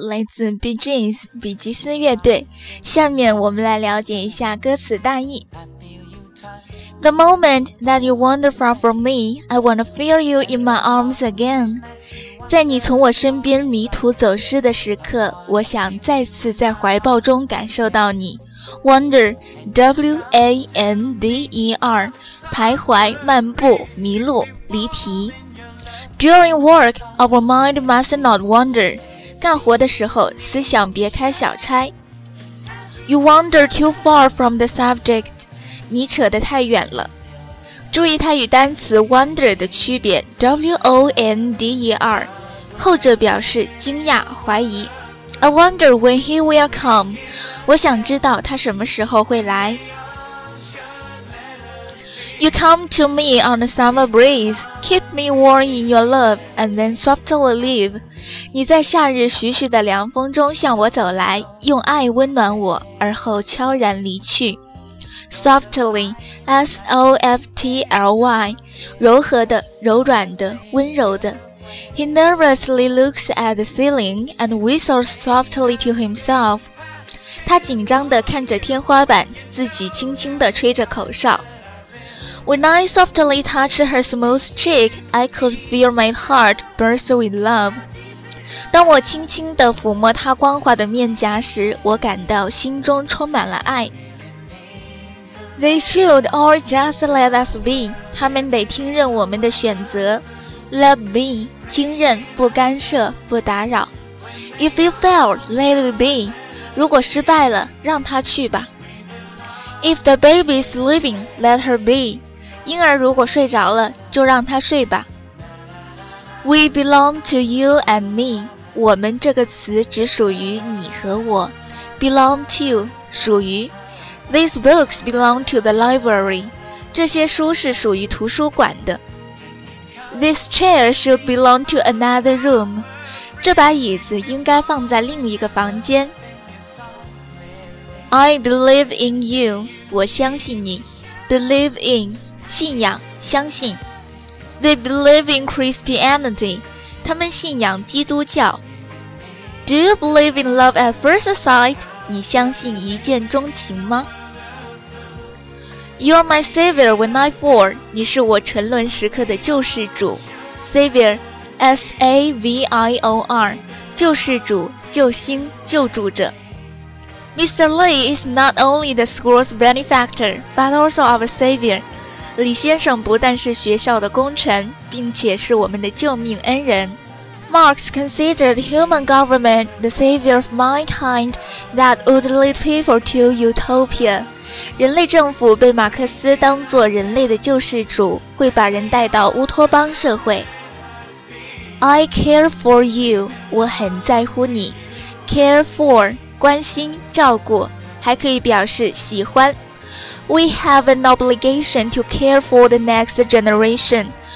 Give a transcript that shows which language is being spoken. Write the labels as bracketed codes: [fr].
[zh] 来自 Bee Gees 比基斯乐队。下面我们来了解一下歌词大意。 [en] The moment that you wander far from me, I want to feel you in my arms again. [zh] 在你从我身边迷途走失的时刻，我想再次在怀抱中感受到你。 Wander, W-A-N-D-E-R, 徘徊、漫步、迷路、离题。 [en] During work, our mind must not wander. [zh] 干活的时候，思想别开小差。 [en] You wander too far from the subject. [zh] 你扯得太远了。注意它与单词 wander 的区别 ,W-O-N-D-E-R, 后者表示惊讶、怀疑。 [en] I wonder when he will come. [zh] 我想知道他什么时候会来。 [en] You come to me on a summer breeze, keep me warm in your love, and then softly leave. [zh] 你在夏日徐徐的凉风中向我走来，用爱温暖我，而后悄然离去。 Softly, S-O-F-T-L-Y, 柔和的、柔软的、温柔的。 [en] He nervously looks at the ceiling and whistles softly to himself. [zh] 他紧张地看着天花板，自己轻轻地吹着口哨。 [en] When I softly touched her smooth cheek, I could feel my heart burst with love. [zh] 当我轻轻地抚摸她光滑的面颊时，我感到心中充满了爱。 [en] They should all just let us be. [zh] 他们得听任我们的选择。Let be, 听任，不干涉，不打扰。 [en] If you fail, let it be. [zh] 如果失败了，让他去吧。 [en] If the baby is sleeping, let her be. [zh] 婴儿如果睡着了，就让他睡吧。 [en] We belong to you and me. [zh] 我们这个词只属于你和我。 [en] Belong to, 属于。 These books belong to the library. [zh] 这些书是属于图书馆的。 [en] This chair should belong to another room. [zh] 这把椅子应该放在另一个房间。 [en] I believe in you. [zh] 我相信你。 [en] Believe in. [zh] 信仰，相信。 [en] They believe in Christianity. [zh] 他们信仰基督教。 [en] Do you believe in love at first sight? [zh] 你相信一见钟情吗？ [en] You're my savior when I fall. [zh] 你是我沉沦时刻的救世主。Savior, S-A-V-I-O-R, 救世主、救星、救助者。 [en] Mr. Lee is not only the school's benefactor, but also our savior. [zh] 李先生不但是学校的功臣，并且是我们的救命恩人。 [en] Marx considered human government the savior of mankind that would lead people to utopia. [zh] 人类政府被马克思当作人类的救世主，会把人带到乌托邦社会。 [en] I care for you, [zh] 我很在乎你。 Care for, 关心、照顾，还可以表示喜欢。 [en] We have an obligation to care for the next generation.